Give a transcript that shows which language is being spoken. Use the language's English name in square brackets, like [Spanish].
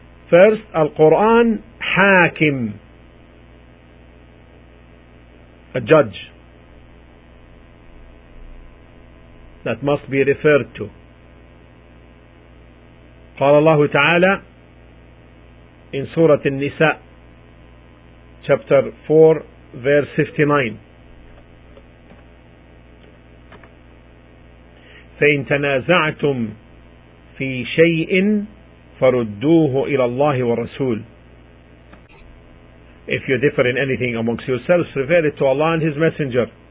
[English] First, Al-Quran Hakim, a judge that must be referred to. [Arabic] قال الله تعالى in سورة النساء [English] chapter 4 verse 59 [Arabic] فإن تنازعتم في شيء فردوه إلى الله والرسول. [English] If you differ in anything amongst yourselves, refer it to Allah and His Messenger.